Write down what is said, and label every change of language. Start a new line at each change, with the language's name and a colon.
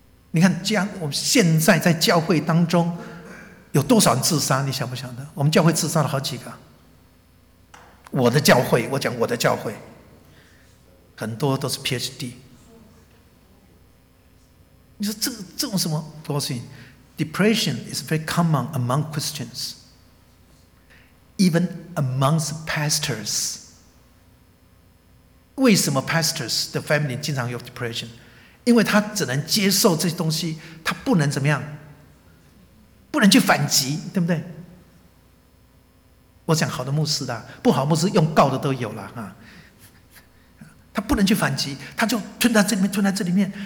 Chinese: 你看我们现在在教会当中有多少人自杀，你想不想的？我们教会自杀了好几个，我的教会，我讲我的教会，很多都是 PhD。你说这种什么？告诉你，
English: Depression is very common among Christians， even amongst pastors。
Chinese: 为什么 pastors 的 family 经常有 depression？ 因为他只能接受这些东西，他不能怎么样，不能去反击，对不对？我讲好的牧师的，不好牧师用告的都有了哈。他不能去反击，他就吞在这里面，吞在这里面。